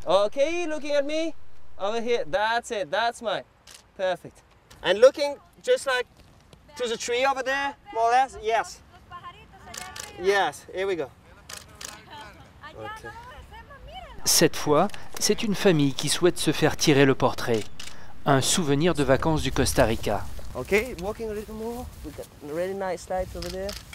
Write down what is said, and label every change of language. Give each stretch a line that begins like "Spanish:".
English: Ok, looking at me, over here, that's it, that's my, perfect. And looking just like to the tree over there, more or less, yes. Yes, here we go. Okay.
French: Cette fois, c'est une famille qui souhaite se faire tirer le portrait. Un souvenir de vacances du Costa Rica.
English: Ok, walking a little more, we've got a really nice light over there.